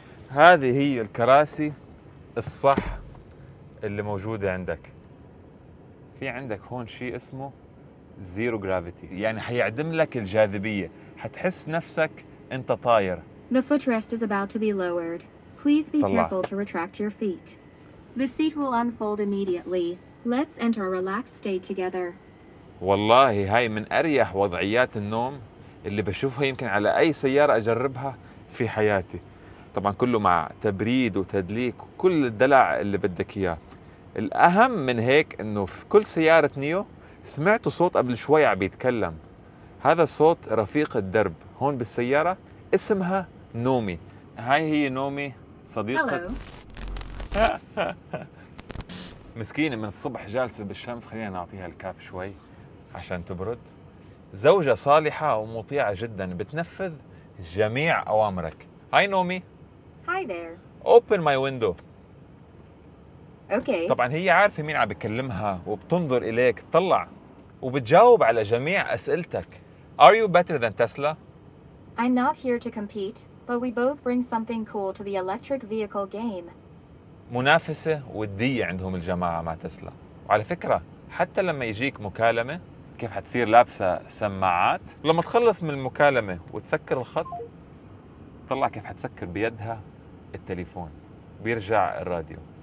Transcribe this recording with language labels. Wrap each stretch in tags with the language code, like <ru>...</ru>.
<ar>هذه هي الكراسي الصح اللي موجودة عندك. في عندك هون شيء اسمه زيرو جرافيتي، يعني حيعدم لك الجاذبية، حتحس نفسك انت طاير.</ar> <en>The footrest is about to be lowered. Please be careful to retract your feet. The seat will unfold immediately. Let's enter a relaxed state together.</en> <ar>والله هاي من أريح وضعيات النوم اللي بشوفها يمكن على أي سيارة أجربها في حياتي. طبعا كله مع تبريد وتدليك وكل الدلع اللي بدك إياه. الأهم من هيك إنه في كل سيارة نيو سمعتوا صوت قبل شوي عم بيتكلم، هذا صوت رفيق الدرب. هون بالسيارة اسمها نومي. هاي هي نومي صديقة. مسكينة من الصبح جالسة بالشمس، خلينا نعطيها الكاف شوي عشان تبرد. زوجة صالحة ومطيعة جدا، بتنفذ جميع أوامرك.</ar> <en>Hi Naomi. Hi there. Open my window. Okay.</en> <ar>طبعا هي عارفة مين عم بكلمها وبتنظر إليك، تطلع وبتجاوب على جميع أسئلتك.</ar> <en>Are you better than Tesla? I'm not here to compete, but we both bring something cool to the electric vehicle game.</en> <ar>منافسة ودية عندهم الجماعة مع تسلا. وعلى فكرة حتى لما يجيك مكالمة كيف حتصير لابسة سماعات، لما تخلص من المكالمة وتسكر الخط طلع كيف حتسكر بيدها التليفون، بيرجع الراديو.</ar>